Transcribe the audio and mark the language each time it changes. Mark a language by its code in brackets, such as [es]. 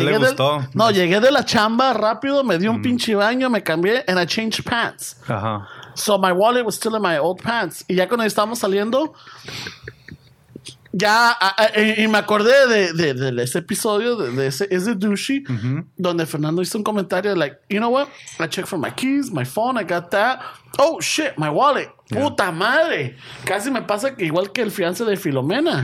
[es] llegué. Llegué de la chamba rápido, me di un pinche baño, me cambié, [en] and I changed pants. Ajá. Uh-huh. So my wallet was still in my old pants. [es] Y ya cuando estábamos saliendo, ya, y me acordé de ese episodio, de ese douchey, mm-hmm. donde Fernando hizo un comentario [en] like, you know what? I checked for my keys, my phone, I got that. Oh, shit, my wallet. Yeah. [es] Puta madre. Casi me pasa que igual que el fiancé de Filomena.